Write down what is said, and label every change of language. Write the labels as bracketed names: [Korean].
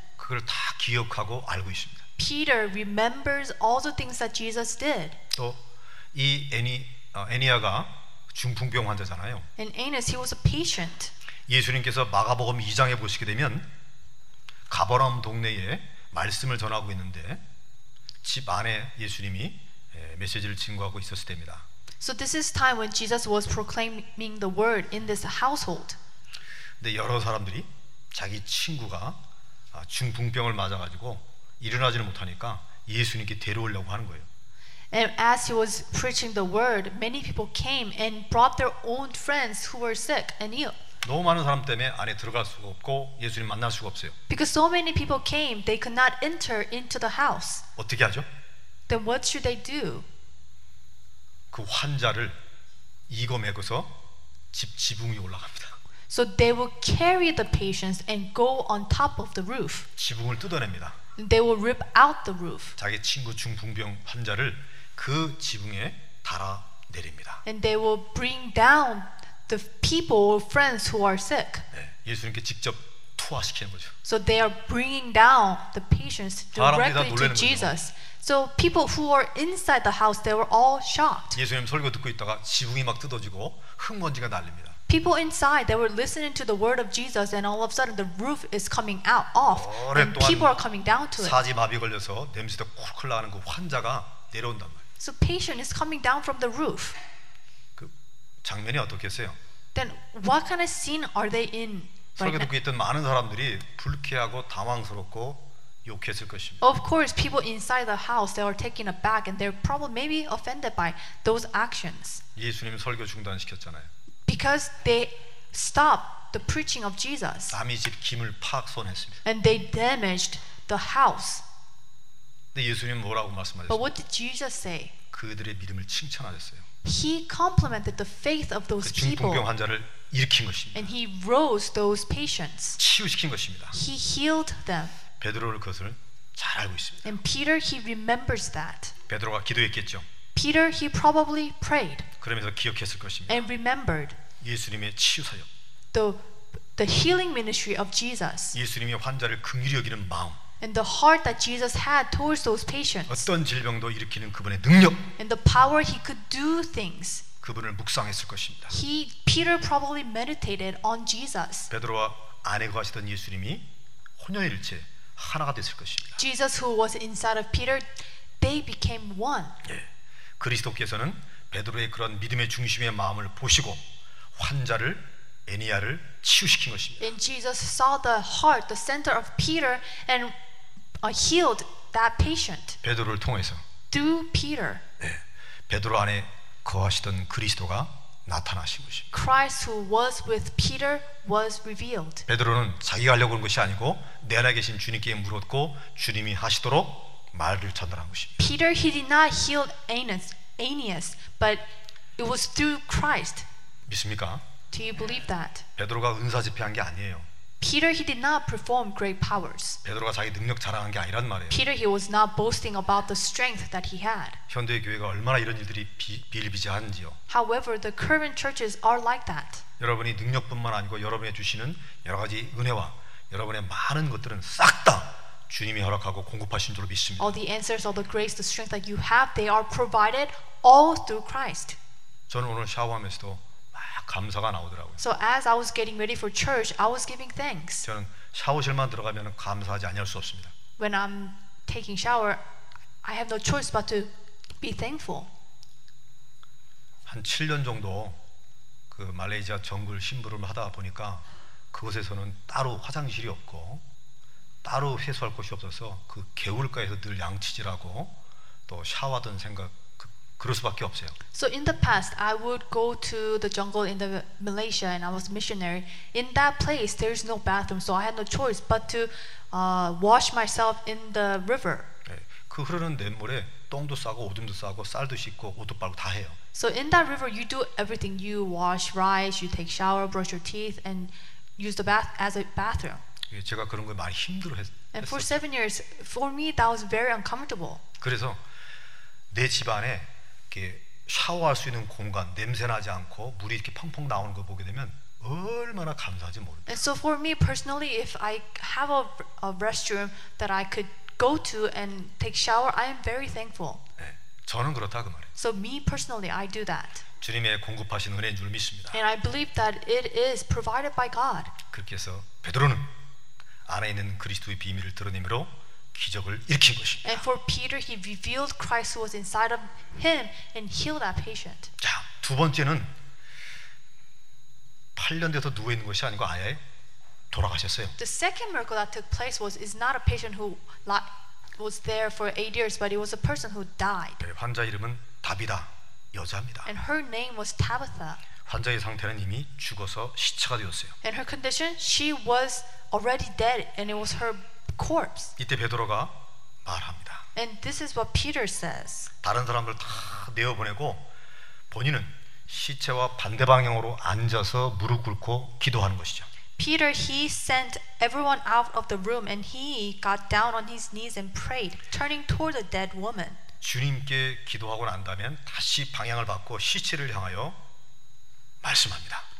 [Korean] 그걸 다 기억하고 알고 있습니다. [English] Peter remembers all the things that Jesus did. [Korean] 또 이 에니아가 중풍병 환자잖아요. [English] And Aeneas, he was a patient. [Korean] 예수님께서 마가복음 2장에 보시게 되면 가버나움 동네에 말씀을 전하고 있는데 집 안에 예수님이 메시지를 증거하고 있었을 때입니다. [English] So this is time when Jesus was proclaiming the word in this household. [Korean] 근데 여러 사람들이 자기 친구가 중풍병을 맞아 가지고 일어나지는 못하니까 예수님께 데려오려고 하는 거예요. [English] And as he was preaching the word, many people came and brought their own friends who were sick and ill. [Korean] 너무 많은 사람 때문에 안에 들어갈 수가 없고 예수님 만날 수가 없어요. [English] Because so many people came, they could not enter into the house. [Korean] 어떻게 하죠? [English] Then what should they do? [Korean] 그 환자를 이거 메고서 집 지붕이 올라갑니다. [English] So they will carry the patients and go on top of the roof. [Korean] 지붕을 뜯어냅니다. [English] They will rip out the roof. [Korean] 자기 친구 중풍병 환자를 그 지붕에 달아 내립니다. [English] And they will bring down the people or friends who are sick. [Korean] 네, 예수님께 직접 투하시키는 거죠. [English] So they are bringing down the patients directly to Jesus. [Korean] 거죠. [English] So people who are inside the house, they were all shocked. [Korean] 예수님 설교 듣고 있다가 지붕이 막 뜯어지고 흙먼지가 날립니다. [English] People inside, they were listening to the word of Jesus, and all of a sudden, the roof is coming out off, and people are coming down to it. [Korean] 사지 마비 걸려서 냄새도 쿨쿨 나는 그 환자가 내려온단 말이에요. [English] So patient is coming down from the roof. [Korean] 그 장면이 어떻겠어요? [English] Then what kind of scene are they in? [Korean] 설교 듣고 있던 많은 사람들이 불쾌하고 당황스럽고 욕했을 것입니다. [English] Of course, people inside the house, they are taken aback, and they're probably maybe offended by those actions. [Korean] 예수님 설교 중단시켰잖아요. [English] Because they stopped the preaching of Jesus. [Korean] 남의 집 김을 팍 손했습니다. [English] And they damaged the house. [Korean] 근데 예수님 뭐라고 말씀하셨어요? [English] But what did Jesus say? [Korean] 그들의 믿음을 칭찬하셨어요. [English] He complimented the faith of those [Korean] 그 중풍병 [English] people. [Korean] 환자를 일으킨 것입니다. [English] And he rose those patients. [Korean] 치유시킨 것입니다. [English] He healed them. [Korean] 베드로를 그것을 잘 알고 있습니다. [English] And Peter, he remembers that. [Korean] 베드로가 기도했겠죠. [English] Peter, he probably prayed. [Korean] 그러면서 기억했을 것입니다. [English] And remembered [Korean] 예수님의 치유 사역. [English] The healing ministry of Jesus. [Korean] 예수님의 환자를 긍휼히 여기는 마음. [English] And the heart that Jesus had towards those patients. [Korean] 어떤 질병도 일으키는 그분의 능력. [English] And the power he could do things. [Korean] 그분을 묵상했을 것입니다. [English] Peter probably meditated on Jesus. [Korean] 베드로와 안에 거하시던 예수님이 혼연일체 하나가 됐을 것입니다. [English] Jesus who was inside of Peter, they became one. [Korean] 예. 그리스도께서는 베드로의 그런 믿음의 중심의 마음을 보시고 환자를 애니아를 치유시킨 것입니다. [English] And Jesus saw the heart, the center of Peter, and healed that patient. [Korean] 베드로를 통해서. [English] Through Peter. [Korean] 네, 베드로 안에 거하시던 그리스도가 나타나신 것입니다. [English] Christ who was with Peter was revealed. [Korean] 베드로는 자기가 하려고 한 것이 아니고 내 안에 계신 주님께 물었고 주님이 하시도록 말을 전달한 것입니다. [English] Peter, he did not heal Aeneas, but it was through Christ. [Korean] 믿습니까? [English] Do you believe that? [Korean] 베드로가 은사 집회한 게 아니에요. [English] Peter, he did not perform great powers. [Korean] 베드로가 자기 능력 자랑한 게 아니란 말이에요. [English] Peter, he was not boasting about the strength that he had. [Korean] 현대 교회가 얼마나 이런 일들이 비일비재한지요. [English] However, the current churches are like that. [Korean] 여러분이 능력뿐만 아니고 여러분이 주시는 여러 가지 은혜와 여러분의 많은 것들은 싹 다 주님이 허락하고 공급하신 줄 믿습니다. [English] All the answers, all the grace, the strength that you have, they are provided all through Christ. [Korean] 저는 오늘 샤워하면서도 막 감사가 나오더라고요. [English] So as I was getting ready for church, I was giving thanks. [Korean] 저는 샤워실만 들어가면 감사하지 않을 수 없습니다. [English] When I'm taking shower, I have no choice but to be thankful. [Korean] 한 7년 정도 그 말레이시아 정글 신부름 하다 보니까 그곳에서는 따로 화장실이 없고 따로 세수할 곳이 없어서 그 개울가에서 늘 양치질하고 또 샤워하던 생각 그럴 수밖에 없어요. [English] So in the past, I would go to the jungle in the Malaysia, and I was a missionary. In that place, there is no bathroom, so I had no choice but to wash myself in the river. [Korean] 네, 그 흐르는 냇물에 똥도 싸고 오줌도 싸고 쌀도 씻고 옷도 빨고 다 해요. [English] So in that river, you do everything. You wash rice, you take shower, brush your teeth, and use the bath as a bathroom. [Korean] 제가 그런 거 많이 힘들어 했어요. [English] And for 7 years for me that was very uncomfortable. [Korean] 그래서 내 집 안에 이렇게 샤워할 수 있는 공간, 냄새 나지 않고 물이 이렇게 펑펑 나오는 거 보게 되면 얼마나 감사하지 모릅니다. [English] And so for me personally if I have a restroom that I could go to and take shower I am very thankful. [Korean] 네, 저는 그렇다 그 말이에요. [English] So me personally I do that. [Korean] 주님의 공급하신 은혜인 줄 믿습니다. [English] And I believe that it is provided by God. [Korean] 그렇게 해서 베드로는 안에 있는 그리스도의 비밀을 드러내므로 기적을 일으킨 것입니다. [English] And for Peter, he revealed Christ who was inside of him and healed that patient. [Korean] 자, 두 번째는 8년 돼서 누워 있는 것이 아니고 아예 돌아가셨어요. [English] The second miracle that took place was is not a patient who was there for 8 years, but it was a person who died. [Korean] 네, 환자 이름은 다비다, 여자입니다. [English] And her name was Tabitha. [Korean] 환자의 상태는 이미 죽어서 시체가 되었어요. [English] And her condition, she was already dead, and it was her corpse. [Korean] 이때 베드로가 말합니다. [English] And this is what Peter says. [Korean] 다른 사람들 다 내어 보내고 본인은 시체와 반대 방향으로 앉아서 무릎 꿇고 기도하는 것이죠. [English] Peter, he sent everyone out of the room, and he got down on his knees and prayed, turning toward the dead woman. [Korean] 주님께 기도하고 난다면 다시 방향을 바꿔 시체를 향하여 말씀합니다.